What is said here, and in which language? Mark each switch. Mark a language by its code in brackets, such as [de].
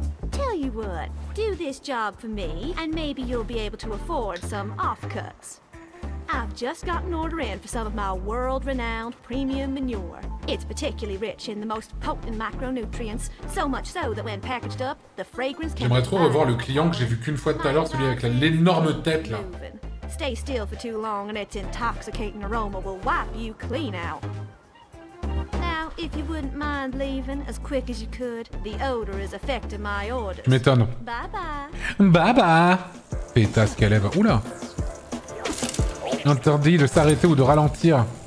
[en] Tell you what, do this job for me, and maybe you'll be able to afford some offcuts. I've just got an order in for some of my world-renowned premium manure. It's particularly rich in the most potent micronutrients, so much so that when packaged up, the fragrance can... [fr] J'aimerais trop revoir le client que j'ai vu qu'une fois tout à l'heure, celui avec l'énorme tête là. [en] Stay still for too long and its intoxicating aroma will wipe you clean out. Now, if you wouldn't mind leaving as quick as you could, the odor is affecting my orders. [fr] Tu m'étonnes. [en] Bye bye. [fr] Pétasse qu'elle lève. Oula. Interdit de s'arrêter ou de ralentir.